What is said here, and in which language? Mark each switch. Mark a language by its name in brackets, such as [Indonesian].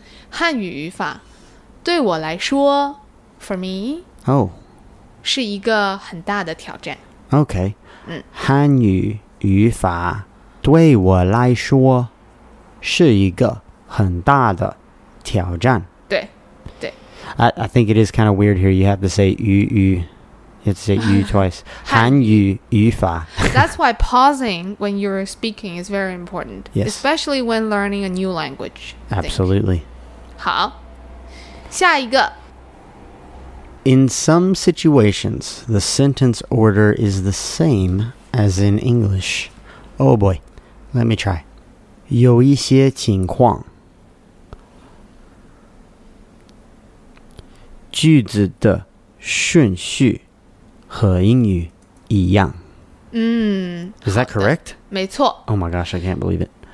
[Chinese] 汉语语法对我来说 ， [English] for me， [Chinese] 哦，是一个很大的挑战。 [English] OK. [Chinese] 汉语语法对我来说是一个很大的挑战。 [English] I think it is kind of weird here. You have to say 语语 You have to say 语 twice. [Chinese] 韩语语法 [English] That's why pausing when you're speaking is very important. Yes. Especially when learning a new language. Absolutely. [Chinese] 好下一个 [English] In some situations, the sentence order is the same as in English. Oh boy, let me try. [Chinese] 有一些情况句子的顺序和英语一样。 [English] Is that correct? [Chinese] 没错。 [English] Oh my gosh, I can't believe it.